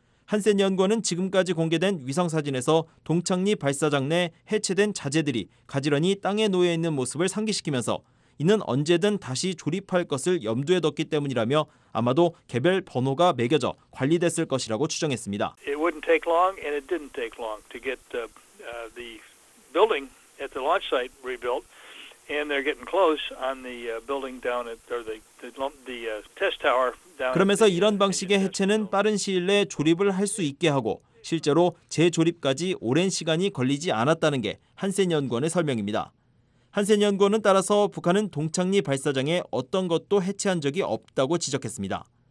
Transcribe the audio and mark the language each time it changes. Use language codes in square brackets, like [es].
[ko] 한센 연구원은 지금까지 공개된 위성사진에서 동창리 발사장 내 해체된 자재들이 가지런히 땅에 놓여 있는 모습을 상기시키면서 이는 언제든 다시 조립할 것을 염두에 뒀기 때문이라며 아마도 개별 번호가 매겨져 관리됐을 것이라고 추정했습니다. [en] It wouldn't take long and it didn't take long to get the building at the launch site rebuilt and they're getting close on the building down at or the test tower. [ko] 그러면서 이런 방식의 해체는 빠른 시일 내 조립을 할 수 있게 하고 실제로 재조립까지 오랜 시간이 걸리지 않았다는 게 한센 연구원의 설명입니다. 한센 연구원은 따라서 북한은 동창리 발사장에 어떤 것도 해체한 적이 없다고 지적했습니다.